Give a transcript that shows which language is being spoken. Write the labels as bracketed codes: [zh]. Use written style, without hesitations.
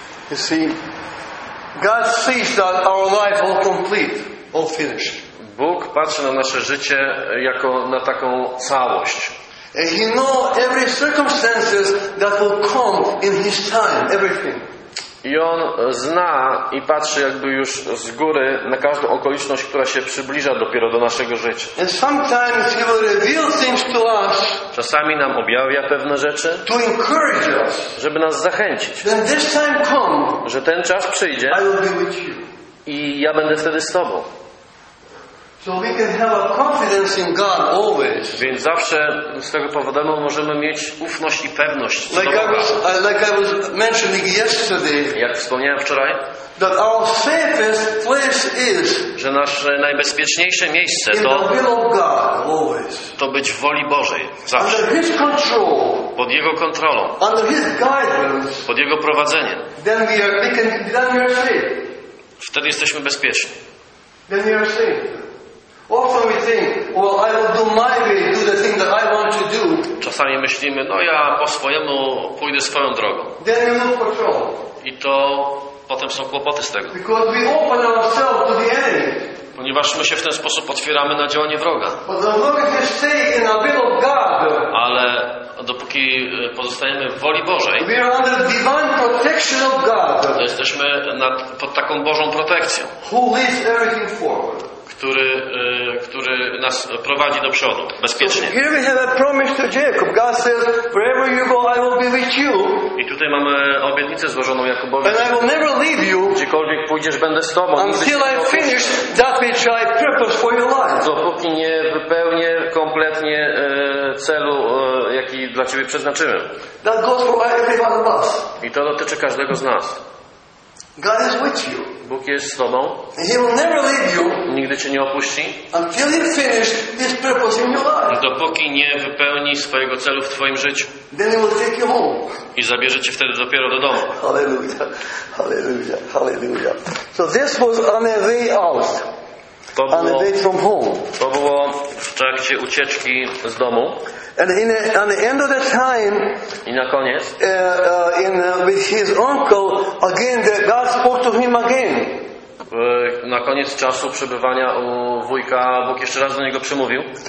[en] You see, God sees that our life all complete, all finished. [pl] Bóg patrzy na nasze życie jako na taką całość. [en] He know every circumstances that will come in his time, everything. [pl] I on zna i patrzy jakby już z góry na każdą okoliczność, która się przybliża dopiero do naszego życia. [en] And sometimes he will reveal things to us. [pl] Czasami nam objawia pewne rzeczy. [en] To encourage us. [pl] Żeby nas zachęcić. [en] Then this time come. [pl] Że ten czas przyjdzie. [en] I will be with you. [pl] I ja będę wtedy z tobą. [en] So we can have a confidence in God always. [pl] Więc zawsze z tego powodu możemy mieć ufność i pewność. [en] Like I was mentioning yesterday. [pl] Jak wspomniałem wczoraj. [en] That our safest place is. [pl] Że nasze najbezpieczniejsze miejsce to. [en] In the will of God always. [pl] To być w woli Bożej zawsze. [en] Under His control. [pl] Pod Jego kontrolą. [en] Under His guidance. [pl] Pod Jego prowadzeniem. [en] Then we are safe. [pl] Wtedy jesteśmy bezpieczni. [en] Then we are safe. Often we think, well, I will do my way, do the thing that I want to do. [pl] Czasami myślimy, no ja po swojemu pójdę swoją drogą. [en] Then we look for trouble. [pl] I to potem są kłopoty z tego. [en] Because we open ourselves to the enemy. [pl] Ponieważ my się w ten sposób otwieramy na działanie wroga. [en] But as long as we stay in the will of God, [pl] ale dopóki pozostajemy w woli Bożej, [en] we are under divine protection of God, [pl] to jesteśmy nad, pod taką Bożą protekcją, [en] who leads everything forward. [pl] Który, który nas prowadzi do przodu bezpiecznie. [en] So here we have a promise to Jacob. God says, wherever you go, I will be with you. [pl] I tutaj mamy obietnicę złożoną Jakubowi. [en] And I will never leave you. [pl] Gdziekolwiek pójdziesz, będę z tobą. [en] Until I finish that which I purpose for your life. [pl] Dopóki nie wypełnię kompletnie celu, jaki dla ciebie przeznaczyłem. [en] That goes for every one of us. [pl] I to dotyczy każdego z nas. [en] God is with you. [pl] Bóg jest z tobą. [en] He will never leave you. [pl] Nigdy cię nie opuści. [en] Until you finish this purpose in your life. [pl] Dopóki nie wypełni swojego celu w twoim życiu. [en] Then he will take you home. [pl] I zabierze cię wtedy dopiero do domu. [en] Hallelujah. Hallelujah. Hallelujah. So this was on a way out. [pl] To było, [en] on a way from home. [pl] To było w trakcie ucieczki z domu. [en] And in a, on the end of the time, [pl] i na koniec, [en] with his uncle, again the God spoke to him again. [pl] Na koniec czasu przebywania u wujka Bóg jeszcze raz do niego przemówił.